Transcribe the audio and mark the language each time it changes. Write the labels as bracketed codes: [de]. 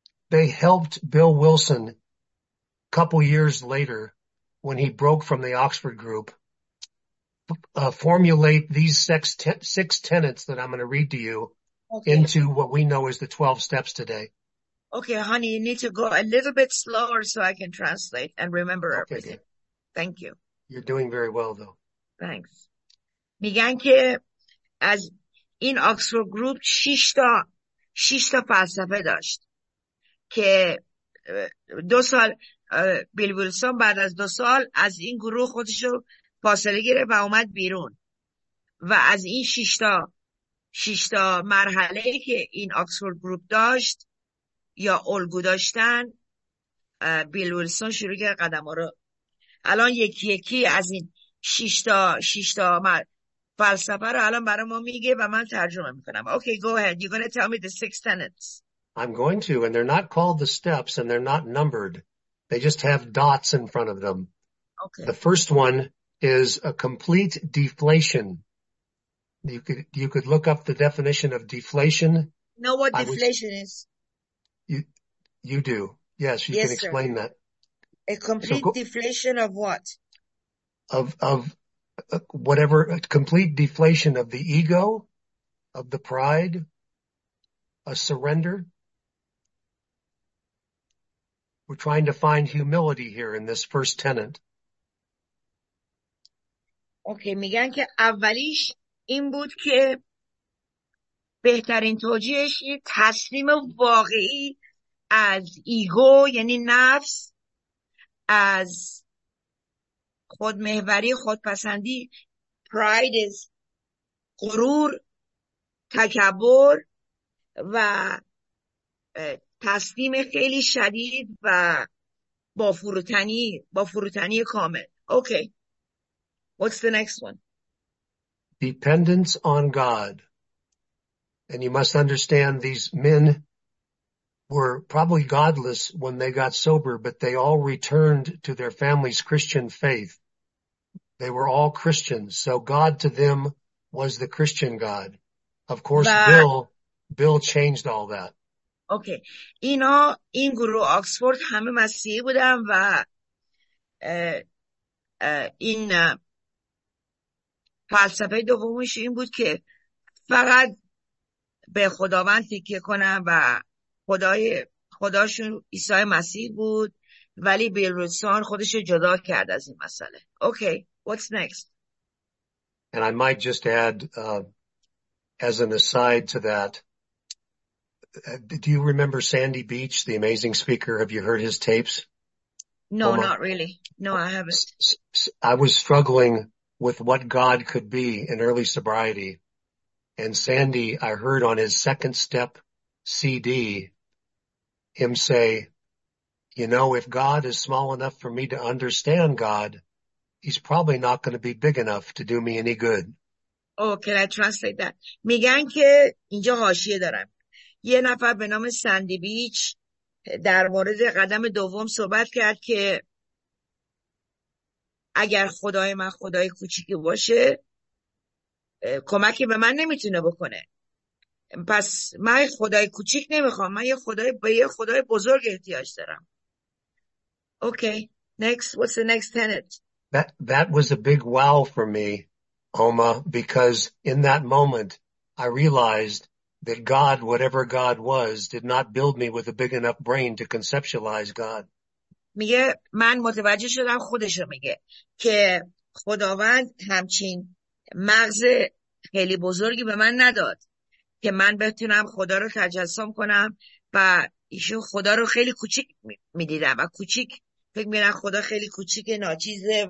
[en] They helped Bill Wilson a couple years later when he broke from the Oxford group, formulate these six tenets that I'm going to read to you into what we know as the 12 steps today. Okay, honey, you need to go a little bit slower so I can translate and remember okay, everything. Dear. Thank you. You're doing very well, though. Thanks. [fa] میگن که از این Oxford group شیشتا فلسفه داشت که دو سال بیل ویلسون بعد از دو سال از این گروه خودشو فاصله گیره و اومد بیرون و از این شیشتا مرحله که این آکسفورد گروپ داشت یا الگو داشتن بیل ویلسون شروع کرد قدم ها رو الان یکی یکی از این شیشتا فلسفه رو الان برای ما میگه و من ترجمه میکنم. [en] Okay, go ahead. You're going to tell me the six tenets. I'm going to, and they're not called the steps and they're not numbered. They just have dots in front of them. Okay. The first one is a complete deflation. You could look up the definition of deflation. Know what deflation is? You do. Yes, you yes, can sir. Explain that. A complete deflation of what? Of whatever, a complete deflation of the ego, of the pride, a surrender. We're trying to find humility here in this first tenet. [fa] Okay, میگن که اولیش این بود که بهترین توجیهش تسلیم واقعی از ایگو یعنی نفس از خودمحوری خودپسندی [en] pride is [fa] غرور تکبر و تسلیم خیلی شدید و با فروتنی کامل. [en] Okay. What's the next one? Dependence on God. And you must understand these men were probably godless when they got sober, but they all returned to their family's Christian faith. They were all Christians, so God to them was the Christian God. Of course, Bill changed all that. [fa] اوکی اینا این گروه آکسفورد همه مسیحی بودن و اه اه این فلسفه دومش این بود که فقط به خداوند تکیه کنم و خداشون عیسی مسیح بود، ولی بیلروسان خودش جدا کرد از این مسئله. [en] Okay, what's next؟ And I might just add, as an aside to that, do you remember Sandy Beach, the amazing speaker? Have you heard his tapes? No, Omar? Not really. No, I haven't. I was struggling with what God could be in early sobriety. And Sandy, I heard on his second step CD, him say, you know, if God is small enough for me to understand God, he's probably not going to be big enough to do me any good. Oh, can I translate that? [fa] میگن که اینجا حاشیه دارم. یه نفر به نام ساندی بیچ در مورد قدم دوم صحبت کرد که اگر خدای من خدای کوچیکی باشه کمکی به من نمیتونه بکنه. پس من خدای کوچیک نمیخوام. من به یه خدای بزرگ احتیاج دارم. [en] Okay, next, what's the next tenet? That was a big wow for me, Oma, because in that moment, I realized that God, whatever God was, did not build me with a big enough brain to conceptualize God. [fa] میگه من متوجه شدم، خودشو میگه که خداوند همچین مغز خیلی بزرگی به من نداد که من بتونم خدا رو تجسم کنم و ایشون خدا رو خیلی کوچیک میدیدم و کوچیک فکر میرن خدا خیلی کوچیک ناچیزه.